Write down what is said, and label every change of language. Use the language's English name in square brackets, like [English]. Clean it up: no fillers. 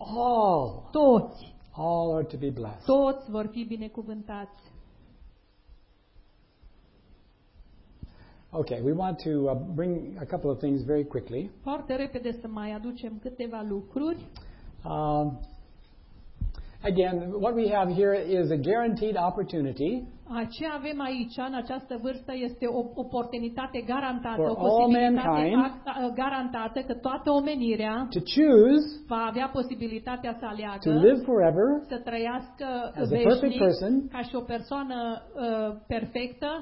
[English] All. [Romanian] Toți. [English] All are to be blessed. [Romanian] Toți vor fi binecuvântați. [English] Okay, we want to bring a couple of things very quickly. [Romanian] Foarte repede să mai aducem câteva lucruri. [English] Again, what we have here is a guaranteed opportunity. [Romanian] Ce avem aici în această vârstă este o oportunitate garantată, [English] for [Romanian] o posibilitate [English] mankind, [Romanian] garantată că toată omenirea [English] to choose, [Romanian] va avea posibilitatea să aleagă [English] to live forever, [Romanian] să trăiască [English] as [Romanian] veșnic, [English] a perfect person, [Romanian] ca și o persoană perfectă